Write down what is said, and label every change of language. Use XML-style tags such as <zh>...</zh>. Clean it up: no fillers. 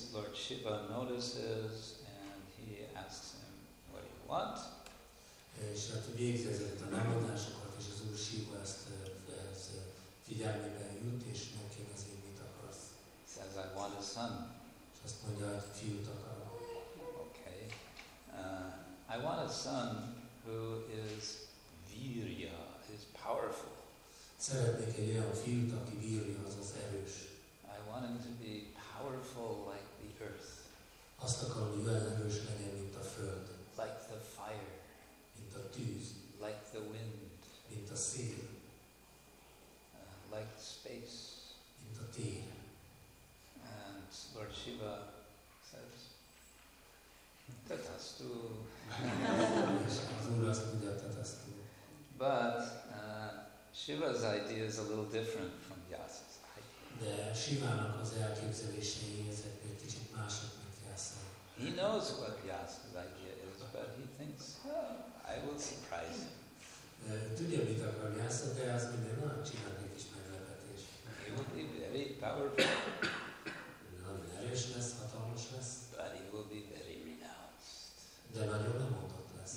<en>Lord Shiva notices and he asks him, "What do you want?"</en> <hu>És hát végzi ezeket a lemondásokat, és az Úr Shiva ezt figyelmében jut, és megkérdezi, mit akarsz.</hu> <en>Says, "I want a son."</en> <hu>És azt mondja, hogy fiút akarok.</hu> <en>Okay. I want a son who is virya, is powerful.</en> <hu>Szeretnék egy olyan fiút, aki virya, azaz erős.</hu> <en>I want him to be powerful like the earth.</en> <hu>Azt akarom, hogy olyan erős legyen, mint a föld.</hu> <en>Like the fire.</en> <hu>Mint a tűz.</hu> <en>Like the wind.</en> <hu>Mint a szél.</hu> <en>Like space.</en> <hu>Mint a tér.</hu> <en>And Lord Shiva says, tatasztu.</en> <hu>Az Úr azt mondja, tatasztu.</hu> <en>But Shiva's idea is a little different from Vyasa's idea.</en> <hu>De Shivának az elképzelései ezek egy kicsit mások, mint Vyasa.</hu> <en>He knows what Vyasa's idea is, but he thinks, well, I will surprise him.</en> <hu>Tudja, mit akar Vyasa, de az minden nagyon csinálni egy kis meglepetés.</hu> <en>He will be very powerful.</en> <hu>Nagyon erős lesz, hatalmas lesz.</hu> <en>But he will be very renounced.</en> <hu>De nagyon lemondott lesz.</hu>